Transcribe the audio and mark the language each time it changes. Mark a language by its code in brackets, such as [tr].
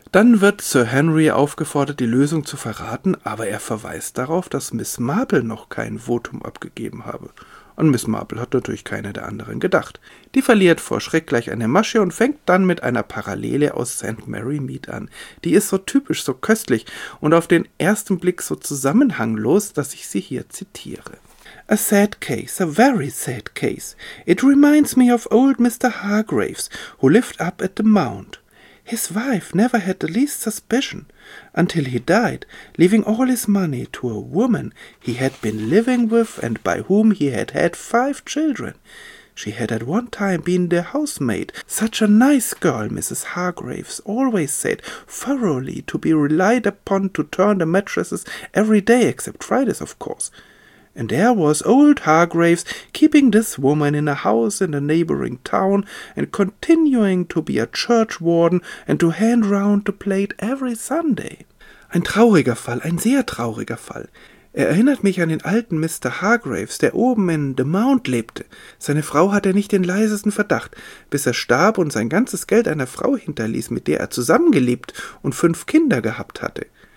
[de] Dann wird Sir Henry aufgefordert, die Lösung zu verraten, aber er verweist darauf, dass Miss Marple noch kein Votum abgegeben habe. Und Miss Marple hat natürlich keine der anderen gedacht. Die verliert vor Schreck gleich eine Masche und fängt dann mit einer Parallele aus St. Mary Mead an. Die ist so typisch, so köstlich und auf den ersten Blick so zusammenhanglos, dass ich sie hier zitiere. [en] A sad case, a very sad case. It reminds me of old Mr. Hargraves, who lived up at the Mount. His wife never had the least suspicion, until he died, leaving all his money to a woman he had been living with and by whom he had had 5 children. She had at one time been the housemaid, such a nice girl, Mrs. Hargraves always said, thoroughly to be relied upon to turn the mattresses every day, except Fridays, of course. And there was old Hargraves keeping this woman in a house in a neighboring town and continuing to be a church warden and to hand round the plate every Sunday. [de] Ein trauriger Fall, ein sehr trauriger Fall. Er erinnert mich an den alten Mr. Hargraves, der oben in The Mount lebte. Seine Frau hatte nicht den leisesten Verdacht, bis er starb und sein ganzes Geld einer Frau hinterließ, mit der er zusammengelebt und 5 Kinder gehabt hatte.